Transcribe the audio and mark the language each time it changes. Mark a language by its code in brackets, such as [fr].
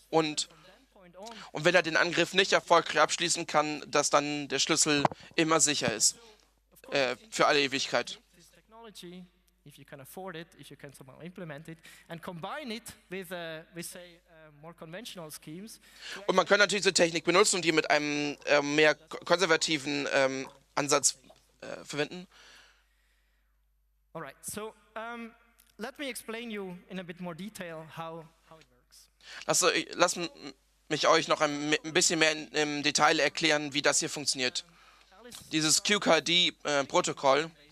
[de] Und wenn er den Angriff nicht erfolgreich abschließen kann, dass dann der Schlüssel immer sicher ist, für alle Ewigkeit. [en] If you can afford it, if you can somehow implement it and combine it with, more conventional schemes. [de] Und man kann natürlich diese Technik benutzen und die mit einem mehr konservativen Ansatz verwenden. [en] Alright, so let me explain you in a bit more detail how it works. [de] Lass mich euch noch ein bisschen mehr im Detail erklären, wie das hier funktioniert. Dieses QKD-Protokoll.